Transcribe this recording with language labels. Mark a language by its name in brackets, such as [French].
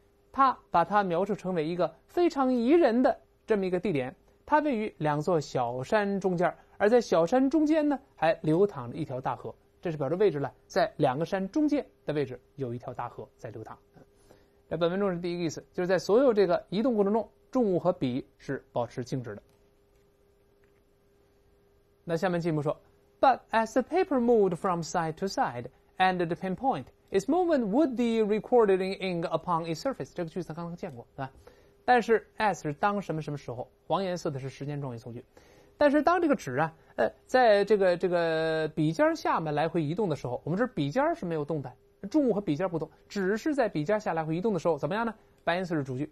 [Chinese] 他把它描述成为一个非常宜人的这么一个地点，它位于两座小山中间，而在小山中间呢还流淌着一条大河。这是表示位置了，在两个山中间的位置有一条大河在流淌。本文中是第一个意思，就是在所有这个移动过程中，重物和笔是保持静止的。那下面进一步说 [English] But as the paper moved from side to side and the pinpoint, its movement would be recorded in ink upon its surface. [Chinese] 这个句子刚刚见过，对吧？但是 as 是当什么什么时候，黄颜色的是时间状语从句。但是当这个纸啊，在这个笔尖下面来回移动的时候，我们这笔尖是没有动的，重物和笔尖不动，纸是在笔尖下来回移动的时候怎么样呢？白颜色是主句。